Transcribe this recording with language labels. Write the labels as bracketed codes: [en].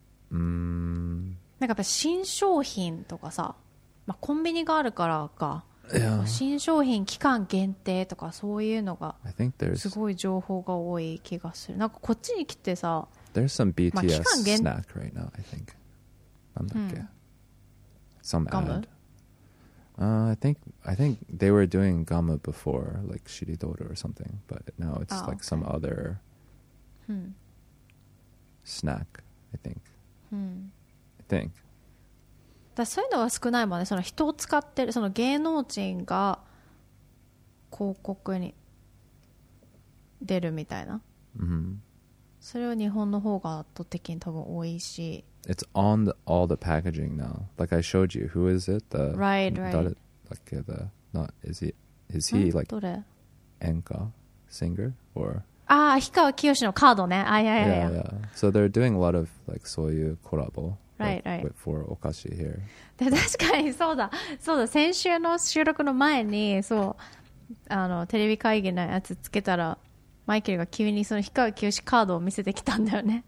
[ja] なんかやっぱ新商品とかさ、まあ、コンビニがあるからか、 [en] yeah. [ja] 新商品期間限定とかそういうのがすごい情報が多い気がする。なんかこっちに来てさ、 [en] There's some BTS snack right now, I think. [ja] なんだっけ、 [en] Some [ja] ガム? [en] ad. I think they were doing ガム before, like Shiridoro or something, but now it's like some other snack, I think. Think. [ja] だそういうのは少ないもんね。その人を使ってる、その芸能人が広告に出るみたいな。 Mm-hmm. それは日本の方が圧倒的に多分多いし。 [en] It's on all the packaging now. Like I showed you, who is it? The right, right. That, like the not is he is he like [ja] どれ? [en] Enka singer or? [ja] ああ、氷川きよしのカードね。ああ、いやいやいや。 [en] Yeah, yeah. So they're doing a lot of like [ja] そういうコラボ。 [en] Right, right. Wait for お菓子 here. [ja] で確かにそうだそうだ先週の収録の前にそうあのテレビ会議のやつつけたらマイケルが急にその氷川きよしカードを見せてきたんだよね。